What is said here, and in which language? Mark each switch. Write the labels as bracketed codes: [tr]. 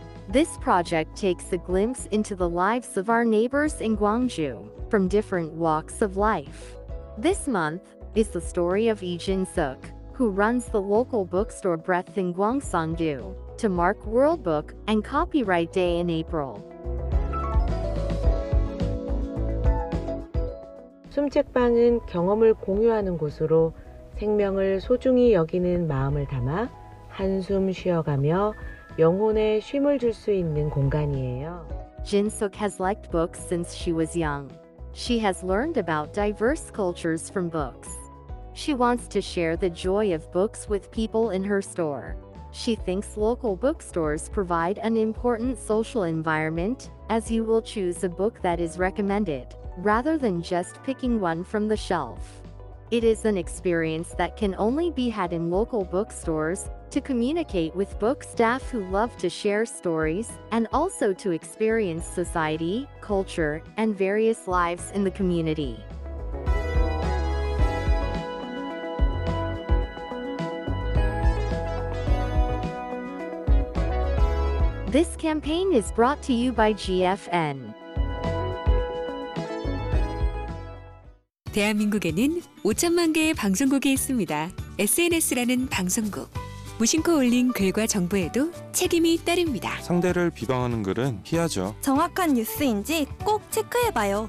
[en] This project takes a glimpse into the lives of our neighbors in Gwangju from different walks of life. This month, is the story of Lee Jin-suk, who runs the local bookstore Breath in Gwangsang-gu, to mark World Book and Copyright Day in April. [ko] 숨책방은 경험을 공유하는 곳으로 생명을 소중히 여기는 마음을 담아 한숨 쉬어가며 영혼에 쉼을 줄 수 있는 공간이에요. [en] Jin-suk has liked books since she was young. She has learned about diverse cultures from books. She wants to share the joy of books with people in her store. She thinks local bookstores provide an important social environment, as you will choose a book that is recommended, rather than just picking one from the shelf. It is an experience that can only be had in local bookstores, to communicate with book staff who love to share stories, and also to experience society, culture, and various lives in the community. This campaign is brought to you by GFN. [ko] 대한민국에는 5천만 개의 방송국이 있습니다. SNS라는 방송국. 무심코 올린 글과 정보에도 책임이 따릅니다. 상대를 비방하는 글은 피하죠. 정확한 뉴스인지 꼭 체크해봐요.